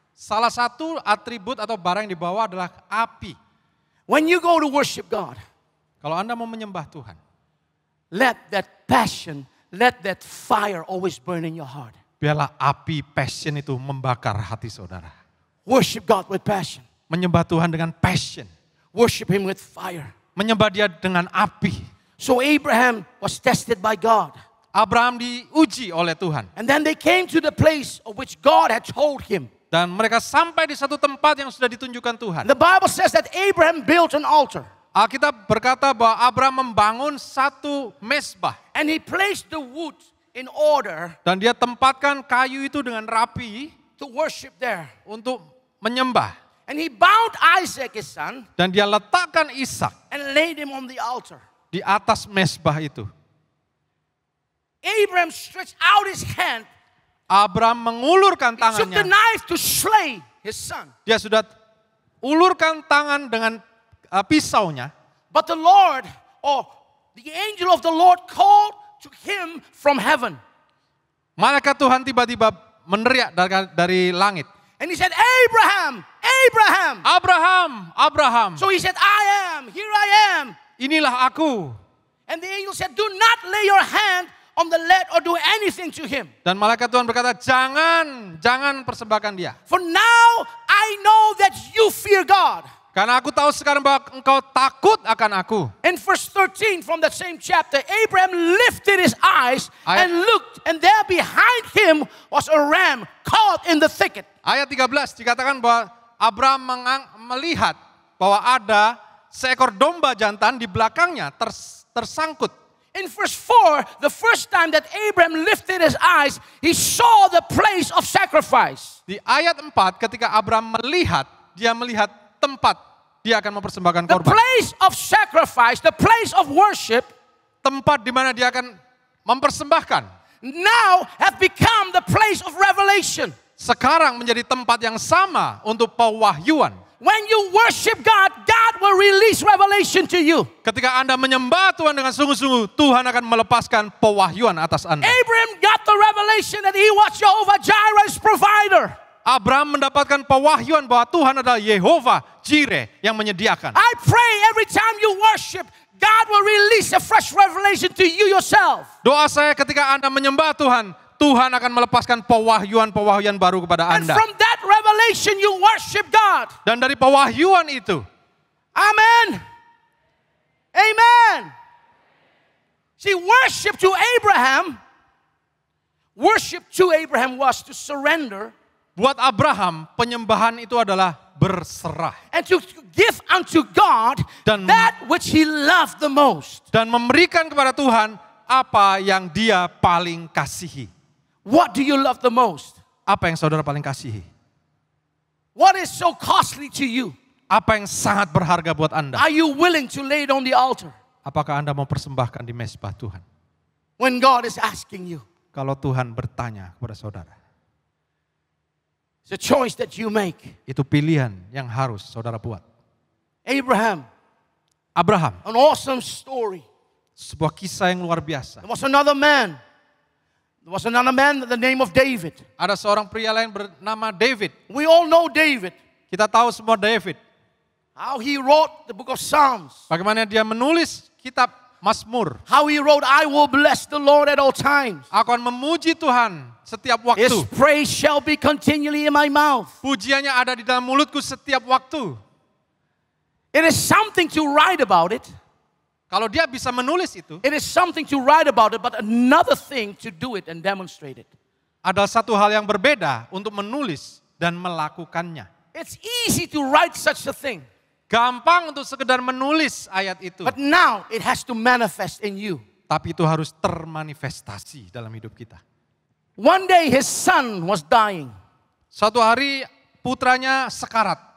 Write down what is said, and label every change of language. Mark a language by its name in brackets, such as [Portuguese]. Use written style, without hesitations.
[Indonesian] Salah satu atribut atau barang yang dibawa adalah api. [English] When you go to worship God. [Indonesian] Kalau Anda mau menyembah Tuhan. [English] Let that passion, let that fire always burn in your heart. [Indonesian] Biarlah api passion itu membakar hati saudara. [English] Worship God with passion. [Indonesian] Menyembah Tuhan dengan passion. [English] Worship Him with fire. [Indonesian] Menyembah Dia dengan api. [English] So Abraham was tested by God. [Indonesian] Abraham diuji oleh Tuhan. [English] And then they came to the place of which God had told him. [Indonesian] Dan mereka sampai di satu tempat yang sudah ditunjukkan Tuhan. [English] The Bible says that Abraham built an altar. [Indonesian] Alkitab berkata bahwa Abraham membangun satu mezbah. [English] And he placed the wood in order. [Indonesian] Dan dia tempatkan kayu itu dengan rapi. [English] To worship there. [Indonesian] Untuk menyembah. [English] And he bound Isaac his son. [Indonesian] Dan dia letakkan Ishak. [English] And laid him on the altar. [Indonesian] Di atas mezbah itu. [English] Abraham stretched out his hand. [Indonesian] Abraham mengulurkan tangannya. [English] He took the knife to slay his son. [Indonesian] Dia sudah ulurkan tangan dengan pisaunya. [English] But the Lord, or the angel of the Lord, called to him from heaven. [Indonesian] Malaikat Tuhan tiba-tiba meneriak dari langit. [English] And he said, Abraham, Abraham. [Indonesian] Abraham, Abraham. [English] So he said, I am, here I am. [Indonesian] Inilah aku. [English] And the angel said, do not lay your hand on the lad or do anything to him. [Indonesian] Dan malaikat Tuhan berkata, jangan persembahkan dia. [English] For now I know that you fear God. [Indonesian] Karena aku tahu sekarang bahwa engkau takut akan aku. [English] In verse 13 from that same chapter, Abraham lifted his eyes and looked, and there behind him was a ram caught in the thicket. [Indonesian] Ayat 13 dikatakan bahwa Abraham melihat bahwa ada seekor domba jantan di belakangnya tersangkut. [English] In verse 4, the first time that Abraham lifted his eyes, he saw the place of sacrifice. [Indonesian] Di ayat 4, ketika Abraham melihat, dia melihat tempat dia akan mempersembahkan korban. [English] The place of sacrifice, the place of worship, [Indonesian] tempat di mana dia akan mempersembahkan, [English] now have become the place of revelation. [Indonesian] Sekarang menjadi tempat yang sama untuk pewahyuan. [English] When you worship God, God will release revelation to you. [Indonesian] Ketika Anda menyembah Tuhan dengan sungguh-sungguh, Tuhan akan melepaskan pewahyuan atas Anda. [English] Abraham got the revelation that he was Jehovah Jireh's provider. [Indonesian] Abraham mendapatkan pewahyuan bahwa Tuhan adalah Yehovah Jireh yang menyediakan. [English] I pray every time you worship, God will release a fresh revelation to you yourself. [Indonesian] Doa saya ketika Anda menyembah Tuhan, Tuhan akan melepaskan pewahyuan-pewahyuan baru kepada Anda. [English] And from that revelation you worship God. [Indonesian] Dan dari pewahyuan itu. [English] Amen. Amen. See, worship to Abraham. Worship to Abraham was to surrender. [Indonesian] Buat Abraham, penyembahan itu adalah berserah. [English] And to give unto God that which he loved the most. [Indonesian] Dan memberikan kepada Tuhan apa yang dia paling kasihi. [English] What do you love the most? [Indonesian] Apa yang saudara paling kasihi? [English] What is so costly to you? [Indonesian] Apa yang sangat berharga buat Anda? [English] Are you willing to lay it on the altar? [Indonesian] Apakah Anda mau persembahkan di mezbah Tuhan? [English] When God is asking you. [Indonesian] Kalau Tuhan bertanya kepada saudara. [English] It's a choice that you make. [Indonesian] Itu pilihan yang harus saudara buat. [English] Abraham. An awesome story. [Indonesian] Sebuah kisah yang luar biasa. [English] There was another man. There was another man with the name of David. [Indonesian] Ada seorang pria lain bernama David. [English] We all know David. [Indonesian] Kita tahu semua David. [English] How he wrote the book of Psalms. [Indonesian] Bagaimana dia menulis kitab Mazmur. [English] How he wrote, I will bless the Lord at all times. [Indonesian] Aku akan memuji Tuhan setiap waktu. [English] His praise shall be continually in my mouth. [Indonesian] Pujiannya ada di dalam mulutku setiap waktu. [English] It is something to write about it. [Indonesian] Kalau dia bisa menulis itu. [English] It is something to write about it, but another thing to do it and demonstrate it. [Indonesian] Ada satu hal yang berbeda untuk menulis dan melakukannya. [English] It's easy to write such a thing. [Indonesian] Gampang untuk sekedar menulis ayat itu. [English] But now it has to manifest in you. [Indonesian] Tapi itu harus termanifestasi dalam hidup kita. [English] One day his son was dying. [Indonesian] Suatu hari putranya sekarat.